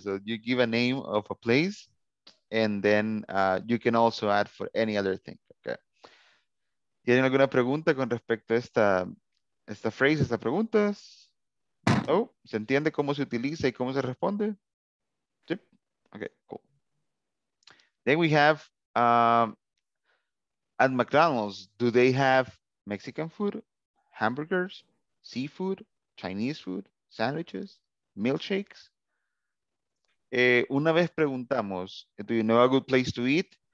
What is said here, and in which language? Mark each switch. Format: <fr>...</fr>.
<en>So, you give a name of a place. And then you can also add for any other thing, okay?</en> <es>¿Tienen alguna pregunta con respecto a esta frase, estas preguntas? Oh, ¿se entiende cómo se utiliza y cómo se responde? Sí,</es> <en>okay, cool. Then we have, at McDonald's, do they have Mexican food, hamburgers, seafood, Chinese food, sandwiches, milkshakes?</en> <es>Una vez preguntamos,</es> <en>do you know a good place to eat?</en>